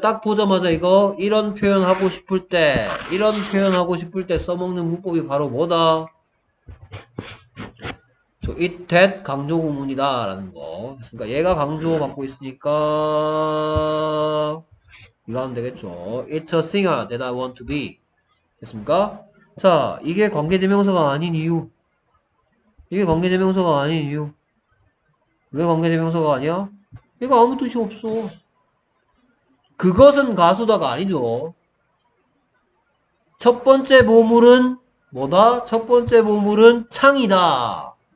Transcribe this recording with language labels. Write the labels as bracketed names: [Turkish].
[Korean] 딱 보자마자 이거 이런 표현 하고 싶을 때 이런 표현 하고 싶을 때 써먹는 문법이 바로 뭐다? 저 it that 강조구문이다라는 거. 그러니까 얘가 강조받고 있으니까 이거 하면 되겠죠. [English] It's a singer that I want to be. [Korean] 됐습니까? 자, 이게 관계대명사가 아닌 이유. 이게 관계대명사가 아닌 이유. 왜 관계대명사가 아니야? 이거 아무 뜻이 없어. 그것은 가수다가 아니죠. 첫 번째 보물은 뭐다? 첫 번째 보물은 창이다.